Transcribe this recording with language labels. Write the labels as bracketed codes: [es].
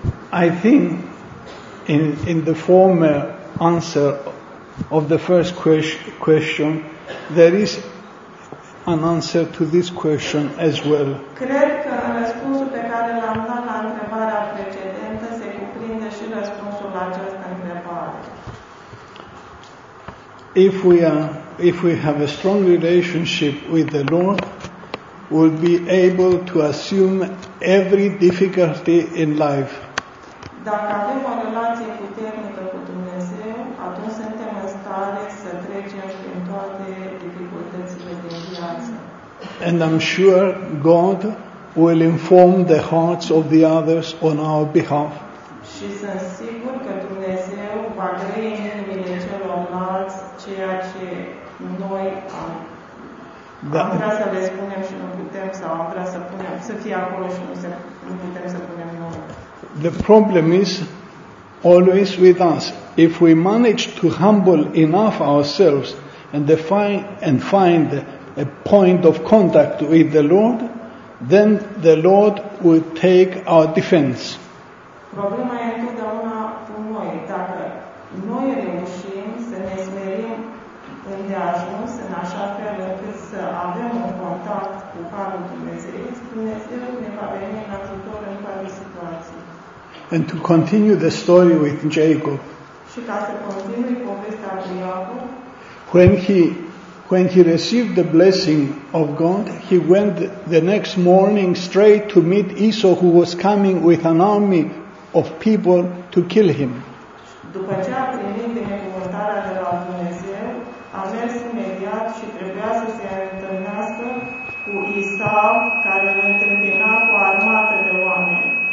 [en] I think in the former answer of the first question, there is an answer to this question as well. [ro] Cred că răspunsul pe care l-am dat la întrebarea precedentă se cuprinde și răspunsul la această întrebare. [en] If we have a strong relationship with the Lord, we'll be able to assume every difficulty in life. [ro] Dacă avem o relație puternică cu Dumnezeu, atunci suntem în stare să trecem prin toate dificultățile din viață. [en] And I'm sure God will inform the hearts of the others on our behalf. [ro] Și sunt sigur că Dumnezeu va grăi în inimile celorlalți ceea ce noi am vrea să le spunem și nu putem, sau am vrea să punem, să fie acolo și nu putem să punem noi. [en] The problem is always with us. If we manage to humble enough ourselves and find a point of contact with the Lord, then the Lord will take our defense. [ro] Problema e întotdeauna cu noi. Dacă noi reușim să ne smerim îndeajuns în așa fel încât să avem un contact cu Harul Dumnezeu, Dumnezeu ne va veni în ajutor în toate situații. [en] And to continue the story with Jacob. [ro] Și ca să continui povestea cu Iacob. [en] When he received the blessing of God, he went the next morning straight to meet Esau, who was coming with an army of people to kill him. [ro] După ce a primit binecuvântarea de la Dumnezeu, a mers imediat și trebuia să se întâlnească cu Esau, care îl întâmpina cu armată de oameni.